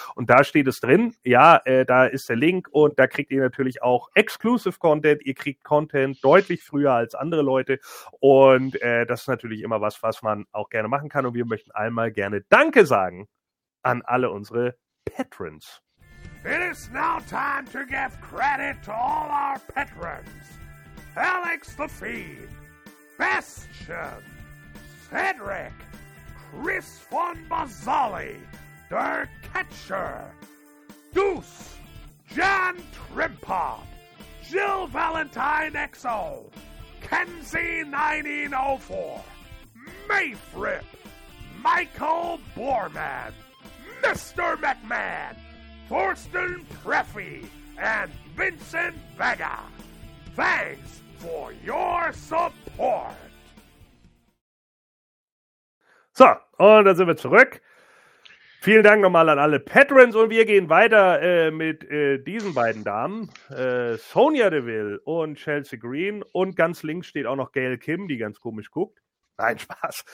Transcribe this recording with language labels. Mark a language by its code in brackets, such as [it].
[de] Und da steht es drin. Ja, da ist der Link und da kriegt ihr natürlich auch Exclusive Content. Ihr kriegt Content deutlich früher als andere Leute. Und das ist natürlich immer was man auch gerne machen kann. Und wir möchten einmal gerne Danke sagen an alle unsere Patrons. [en] It is now time to give credit to all our Patrons. Alex the Fiend, Bastion, Cedric, Chris von Basali, Der Catcher, Deuce, John Trimpa, Jill Valentine XO, Kenzie 1904, Mayfrip, Michael Borman, Mr. McMahon, Thorsten Preffy, and Vincent Vega. Thanks for your support. [de] So, und da sind wir zurück. Vielen Dank nochmal an alle Patrons und wir gehen weiter mit diesen beiden Damen, Sonya Deville und Chelsea Green und ganz links steht auch noch Gail Kim, die ganz komisch guckt. Nein, Spaß.